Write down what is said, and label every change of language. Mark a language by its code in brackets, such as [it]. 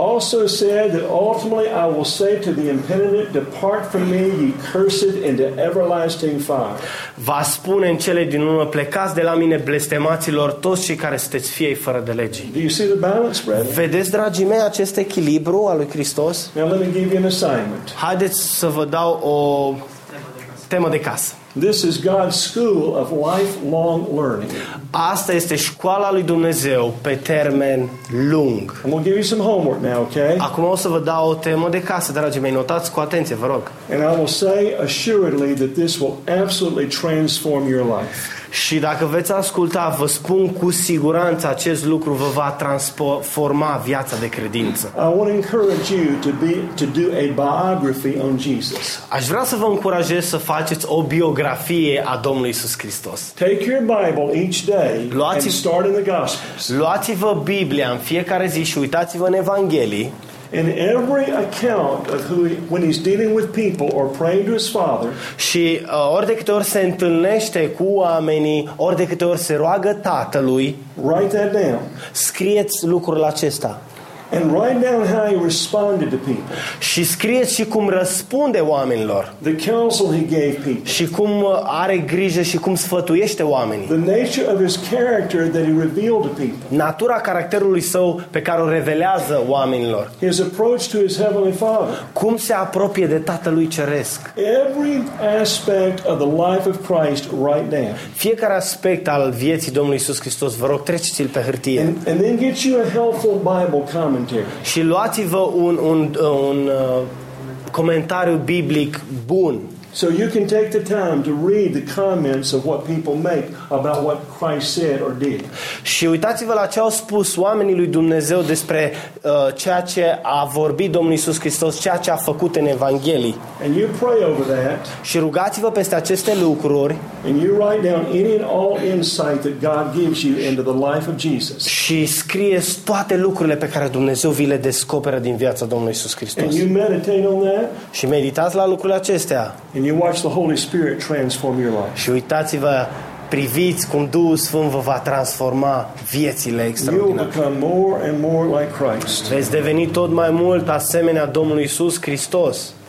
[en] Also said that ultimately I will say to the impenitent, "Depart from me, ye cursed, into everlasting fire." [ro] Va spune în cele din urmă, plecați de la mine, blestemaților, toți cei care sunteți fiei fără de lege. [en] Do you see the balance, brethren? [ro] Vedeți, dragii mei, acest echilibru al lui Hristos? [en] Now let me give you an assignment. [ro] Haideți să vă dau o temă de casă. [en] This is God's school of lifelong learning. [ro] Asta este școala lui Dumnezeu pe termen lung. [en] And we'll give you some homework now, okay? [ro] Acum o să vă dau o temă de casă, dragii mei, notați cu atenție, vă rog. [en] And I will say assuredly that this will absolutely transform your life. [ro] Și dacă veți asculta, vă spun cu siguranță acest lucru vă va transforma viața de credință. [en] I want to encourage you to do a biography on Jesus. [ro] Aș vrea să vă încurajez să faceți o biografie a Domnului Iisus Hristos. [en] Take your Bible each day and start in the Gospels. [ro] Luați-vă Biblia în fiecare zi și uitați-vă în Evanghelii. [en] In every account of who he, when he's dealing with people or praying to his father, [ro] și ori de câte ori se întâlnește cu oamenii, ori de câte ori se roagă tatălui, [en] write that down. [ro] Scrieți lucrul acesta. [en] And write down how he responded to people. [ro] Și scrieți și cum răspunde oamenilor. [en] The counsel he gave people. [ro] Și cum are grijă și cum sfătuiește oamenii. [en] The nature of his character that he revealed to people. [ro] Natura caracterului său pe care o revelează oamenilor. [en] His approach to his heavenly father. [ro] Cum se apropie de Tatălui ceresc. [en] Every aspect of the life of Christ right now. [ro] Fiecare aspect al vieții Domnului Iisus Hristos, vă rog, treceți-l pe hârtie. [en] And then get you a helpful Bible. [ro] Și luați-vă un comentariu biblic bun. [en] So you can take the time to read the comments of what people make about what Christ said or did. [ro] Și uitați-vă la ce au spus oamenii lui Dumnezeu despre ceea ce a vorbit Domnul Iisus Hristos, ceea ce a făcut în Evanghelii. [en] And you pray over that. [ro] Și rugați-vă peste aceste lucruri. [en] And you write down any and all insight that God gives you into the life of Jesus. [ro] Și scrieți toate lucrurile pe care Dumnezeu vi le descoperă din viața Domnului Iisus Hristos. [en] And you meditate on that. [ro] Și meditați la lucrurile acestea. [en] And you watch the Holy Spirit transform your life. [ro] Și uitați-vă, priviți cum Duhul Sfânt vă va transforma viețile extraordinare. [en] You'll become more and more like Christ. [ro] Veți deveni tot mai mult asemenea Domnului Iisus Hristos.